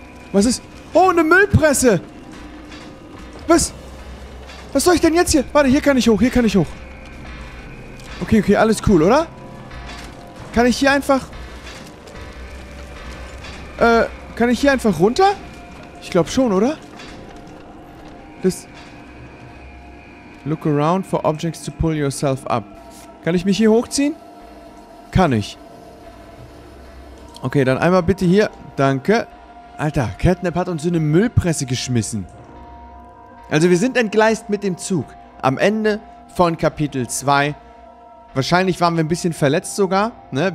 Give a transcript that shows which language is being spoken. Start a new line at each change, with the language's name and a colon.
German: Was ist... Oh, eine Müllpresse! Was? Was soll ich denn jetzt hier? Warte, hier kann ich hoch, hier kann ich hoch. Okay, okay, alles cool, oder? Kann ich hier einfach... kann ich hier einfach runter? Ich glaube schon, oder? Das...
English: Look around for objects to pull yourself up.
German: Kann ich mich hier hochziehen? Kann ich. Okay, dann einmal bitte hier. Danke. Alter, Catnap hat uns in eine Müllpresse geschmissen. Also wir sind entgleist mit dem Zug. Am Ende von Kapitel 2. Wahrscheinlich waren wir ein bisschen verletzt sogar. Ne?